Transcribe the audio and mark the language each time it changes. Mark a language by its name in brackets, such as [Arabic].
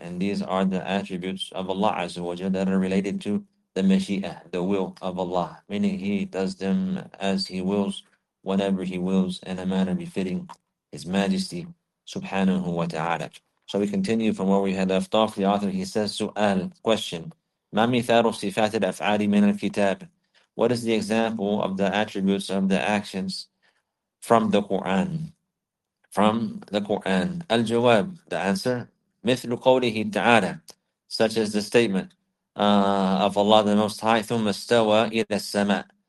[English] And these are the attributes of Allah azza wa jalla that are related to the mashi'ah, the will of Allah. Meaning He does them as He wills, whenever He wills, in a manner befitting His majesty subhanahu wa ta'ala. So we continue from where we had left off. The author, he says, سؤال, question. [Arabic] ما مثال صفات الأفعال من الكتاب? [English] What is the example of the attributes of the actions from the Quran? From the Quran. الجواب, the answer. [Arabic] مثل قوله تعالى, [English] such as the statement of Allah the Most High, [Arabic] ثم استوى إلى السماء.